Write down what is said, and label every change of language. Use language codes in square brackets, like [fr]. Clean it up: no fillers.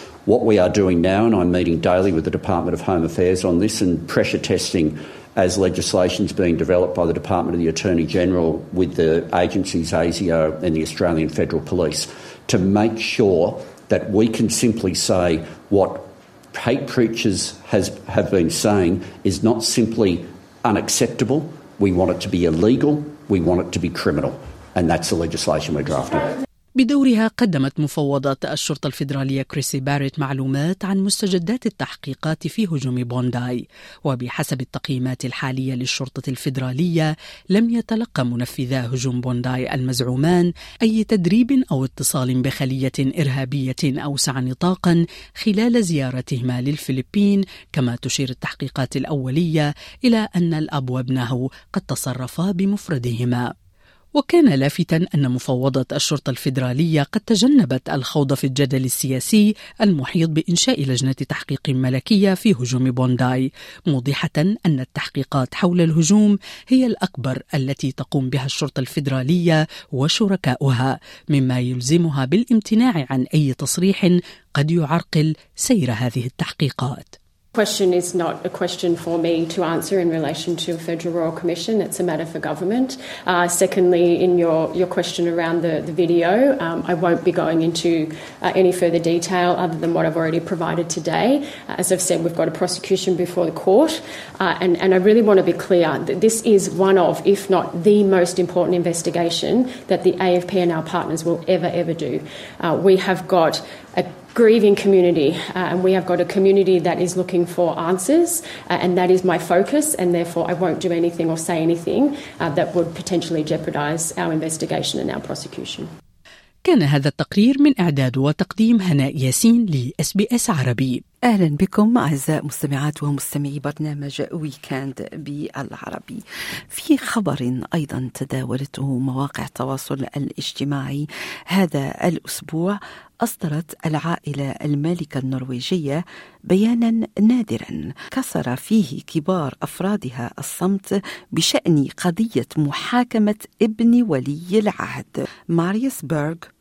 [en] What we are doing now, and I'm meeting daily with the Department of Home Affairs on this and pressure testing as legislation's being developed by the Department of the Attorney General with the agencies ASIO and the Australian Federal Police, to make sure that we can simply say what hate preachers have been saying is not simply unacceptable. We want it to be illegal. We want it to be criminal. And that's the legislation we're drafting. [ar] بدورها قدمت مفوضة الشرطة الفيدرالية كريسي باريت معلومات عن مستجدات التحقيقات في هجوم بونداي، وبحسب التقييمات الحالية للشرطة الفيدرالية لم يتلقى منفذا هجوم بونداي المزعومان أي تدريب أو اتصال بخلية إرهابية أوسع نطاقا خلال زيارتهما للفلبين، كما تشير التحقيقات الأولية إلى أن الأب وابنه قد تصرفا بمفردهما. وكان لافتا أن مفوضة الشرطة الفيدرالية قد تجنبت الخوض في الجدل السياسي المحيط بإنشاء لجنة تحقيق ملكية في هجوم بونداي، موضحة أن التحقيقات حول الهجوم هي الأكبر التي تقوم بها الشرطة الفيدرالية وشركاؤها، مما يلزمها بالامتناع عن أي تصريح قد يعرقل سير هذه التحقيقات. [en] Question is not a question for me to answer in relation to a federal royal commission. It's a matter for government. Secondly, in your question around the video, I won't be going into any further detail other than what I've already provided today. As I've said, we've got a prosecution before the court, and I really want to be clear that this is one of, if not the most important investigation that the AFP and our partners will ever do. We have got a grieving community, and we have got a community that is looking for answers, and that is my focus, and therefore I won't do anything or say anything that would potentially jeopardize our investigation and our prosecution. [ar] كان هذا التقرير من إعداد وتقديم هناء ياسين لـ SBS عربي. أهلا بكم أعزائي مستمعات ومستمعي برنامج ويكند بالعربي. في خبر أيضا تداولته مواقع التواصل الاجتماعي هذا الأسبوع، أصدرت العائلة المالكة النرويجية بيانا نادرا كسر فيه كبار أفرادها الصمت بشأن قضية محاكمة ابن ولي العهد ماريوس بيرغ